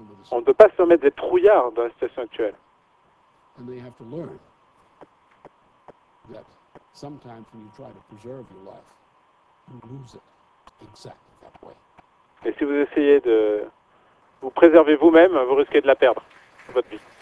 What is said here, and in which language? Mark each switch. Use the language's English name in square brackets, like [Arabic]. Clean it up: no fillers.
[French] On ne peut pas se remettre des trouillards dans la situation actuelle. [English] And they have to learn that sometimes when you try to preserve your life, you lose it exactly that way. [French] Et si vous essayez de vous préserver vous-même, vous risquez de la perdre, votre vie.